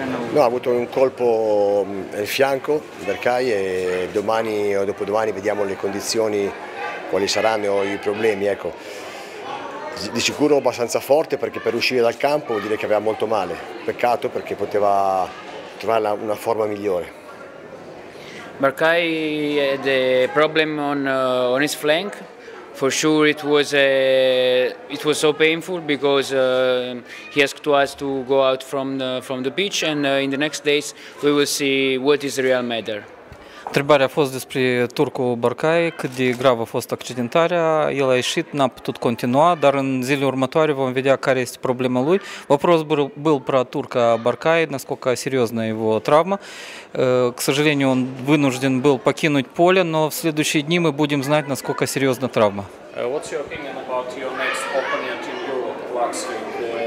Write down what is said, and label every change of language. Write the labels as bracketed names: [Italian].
[Italian] No, ha avuto un colpo al fianco, Berkay, e domani o dopodomani vediamo le condizioni, quali saranno i problemi. Ecco. Di sicuro abbastanza forte, perché per uscire dal campo vuol dire che aveva molto male. Peccato, perché poteva trovare una forma migliore. [English] Berkay had a problem on his flank. For sure it was so painful because he asked us to go out from the pitch and in the next days we will see what is the real matter. [Romanian] Întrebarea a fost despre Turcu Berkay, cât de gravă a fost accidentarea, el a ieșit, n-a putut continua, dar în zilele următoare vom vedea care este problema lui. [Russian] Вопрос был про Турка Berkay, насколько серьезна его травма. К сожалению, он вынужден был покинуть поле, но в следующие дни мы будем знать, насколько серьезна травма. [English] What's your opinion about your next opponent in Europe, Luxembourg?